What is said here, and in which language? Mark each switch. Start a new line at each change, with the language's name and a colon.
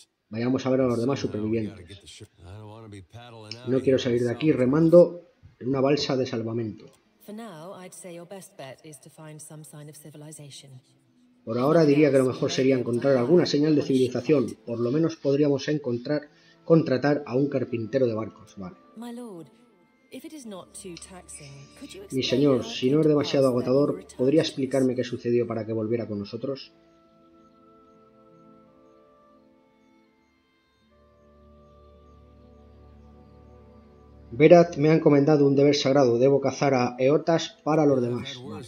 Spanish: Vayamos a ver a los demás supervivientes. No quiero salir de aquí remando en una balsa de salvamento.
English: For now, I'd say your best bet is to find some sign of civilization.
Spanish: Por ahora diría que lo mejor sería encontrar alguna señal de civilización. Por lo menos podríamos contratar a un carpintero de barcos, vale.
English: My lord, if it is not too taxing, could you explain?
Spanish: Mi señor, si no es demasiado agotador, ¿podría explicarme qué sucedió para que volviera con nosotros? Verat, me ha encomendado un deber sagrado. Debo cazar a Eotas para los demás.